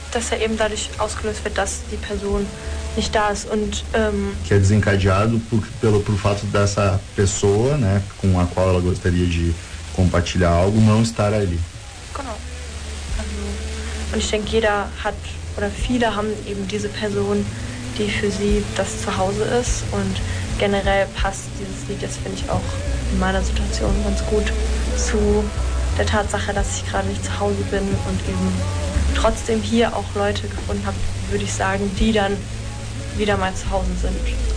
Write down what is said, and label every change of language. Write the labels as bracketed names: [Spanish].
[German] Dass er eben dadurch ausgelöst wird, dass die Person nicht da ist und [Portuguese] que é desencadeado por fato dessa pessoa, né, com a qual ela gostaria de compartilhar algo, não estar ali. [German] Und ich denke, jeder hat oder viele haben eben diese Person, die für sie das Zuhause ist. Und generell passt dieses Lied, das finde ich auch in meiner Situation ganz gut, zu der Tatsache, dass ich gerade nicht zu Hause bin und eben trotzdem hier auch Leute gefunden habe, würde ich sagen, die dann wieder mal zu Hause sind.